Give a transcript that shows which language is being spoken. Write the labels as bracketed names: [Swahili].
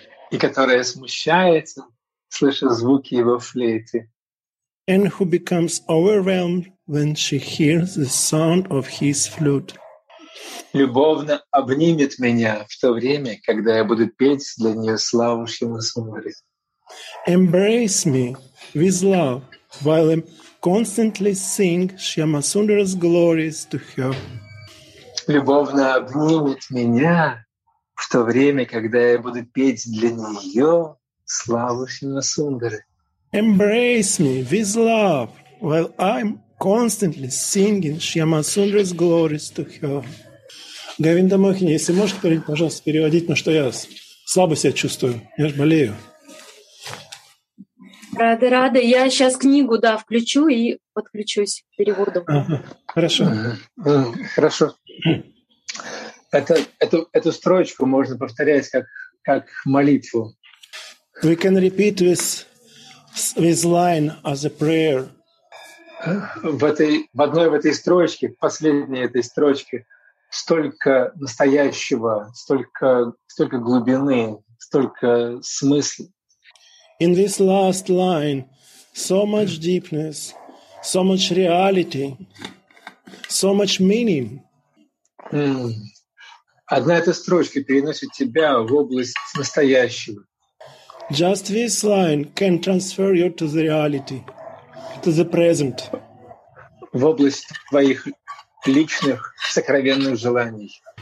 [Russian] И которая смущается, слыша звуки его флейты. [English] And who becomes overwhelmed when she hears the sound of his flute. [Russian] Любовно обнимет меня в то время, когда я буду петь для нее славу Шрима Сундари. [English] Embrace me with love while I constantly sing Shyama Sundara's glories to her. [Russian] Любовно обнимет меня в то время, когда я буду петь для нее славу Шрима Сундары. [English] Embrace me with love while I'm constantly singing Shyama Sundara's glories to her. [Russian] Говинда Мохини, если можешь, пожалуйста, переводить, на что я слабо себя чувствую. Я же болею. Рады, рады. Я сейчас книгу, да, включу и подключусь к переводу. Ага, хорошо. Хорошо. Эту строчку можно повторять как молитву. [English] We can repeat this line as a prayer. [Russian] В одной строчке, последней этой строчке, столько настоящего, столько глубины, столько смысла. [English] In this last line, so much deepness, so much reality, so much meaning. [Russian] Одна эта строчка переносит тебя в область настоящего. [English] Just this line can transfer you to the reality, to the present. [Russian] В область твоих личных сокровенных желаний.